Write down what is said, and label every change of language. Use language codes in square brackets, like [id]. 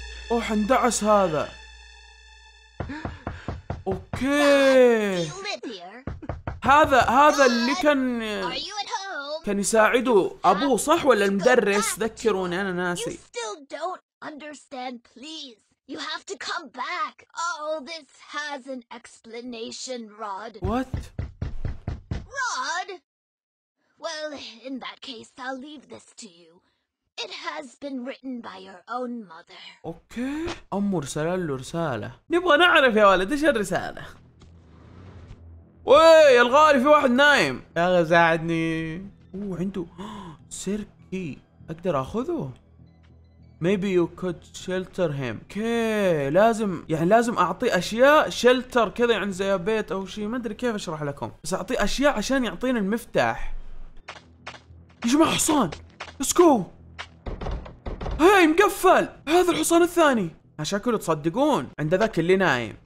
[ar] اوه حندعس هذا. اوكي هذا هذا [en] God. [ar] اللي كان كان يساعده أبوه صح ولا المدرس؟ ذكروني أنا ناسي. [en] You still don't understand, please. You have to come back. All this has an explanation, Rod. What? Rod? Well, in that case, I'll leave this to you. It has been written by your own mother. [ar] Okay. أمه رسالة له رسالة. نبغى نعرف يا ولد إيش الرسالة. وي الغالي في واحد نايم. يا أخي ساعدني. أوه عنده سير كي. أقدر أخذه؟ [en] Maybe you could shelter him. Okay. [ar] لازم يعني لازم أعطيه أشياء shelter كذا يعني زي بيت أو شيء ما أدري كيف أشرح لكم. بس أعطيه أشياء عشان يعطيني المفتاح. يا جماعة حصان. [en] Let's go. [ar] هاي مقفل. هذا الحصان الثاني شكله تصدقون عند ذاك اللي نايم.